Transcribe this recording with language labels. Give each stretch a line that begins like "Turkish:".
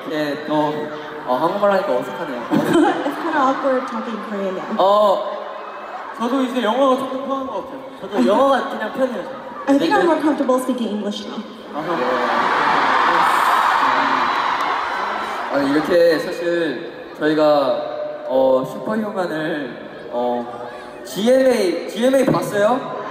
Korean: 이렇게 또, 한국말 하니까 어색하네요.
English: It's kind of awkward talking Korean now.
Korean: 저도 이제 영어가 조금 편한 것 같아요. 저도 영어가 그냥 편해요.
English: I think I'm more comfortable speaking English now.
Korean: 아니, 이렇게 사실 저희가 슈퍼휴먼을 GMA 봤어요?